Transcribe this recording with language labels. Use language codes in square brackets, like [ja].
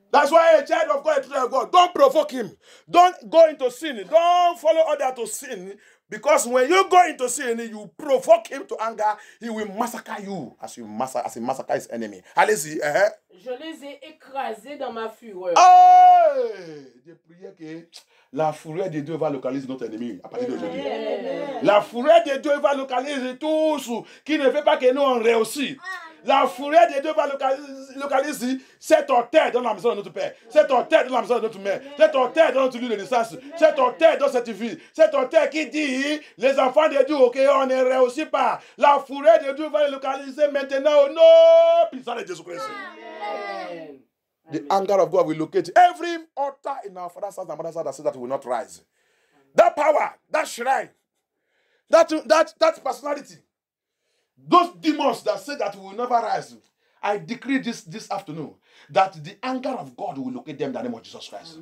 [en] That's why a child of God, a child of God, don't provoke him. Don't go into sin. Don't follow others to sin. Because when you go into sin, you provoke him to anger. He will massacre you as he massacre his enemy. [fr] Allez-y. Je les ai écrasés dans ma fureur. Je priais que la fureur de Dieu va localiser notre ennemi à partir d'aujourd'hui. Amen. La fureur de Dieu va localiser tout ce qui ne veut pas que nous on réussisse. La fureur de Dieu va localiser cette hôtel dans la maison de notre père. Cette hôtel dans la maison de notre mère. Cette hôtel dans notre lieu de naissance. Cette hôtel dans cette vie. Cette hôtel qui dit les enfants de Dieu, ok, on ne réussit pas. La fureur de Dieu va les localiser maintenant au nom puissant de Jésus-Christ. Amen. [en] The anger of God will locate every altar in our father's house and mother's house that says that will not rise. That power, that shrine, that personality, those demons that say that will never rise, I decree this afternoon that the anger of God will locate them in the name of Jesus Christ.